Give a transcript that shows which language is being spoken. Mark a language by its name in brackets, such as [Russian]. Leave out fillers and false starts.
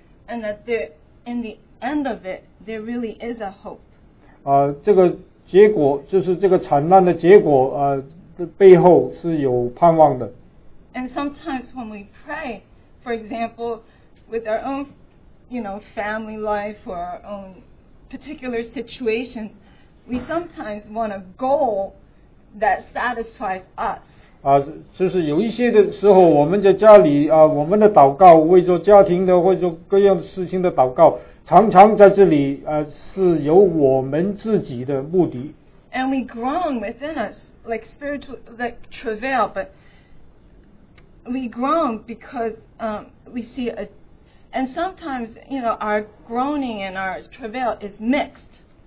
[English] And that there, in the end of it, there really is a hope. [Chinese] 这个结果就是这个惨难的结果。背后是有盼望的。 [English] And sometimes when we pray, for example, with our own, you know, family life or our own particular situation, we sometimes want a goal that satisfies us. [Chinese] 就是有一些的时候，我们在家里，我们的祷告，为着家庭的或者各样事情的祷告，常常在这里，是由我们自己的目的。 [English] And we groan within us, like spiritual, like travail, but we groan because we see a, and sometimes, you know, our groaning and our travail is mixed.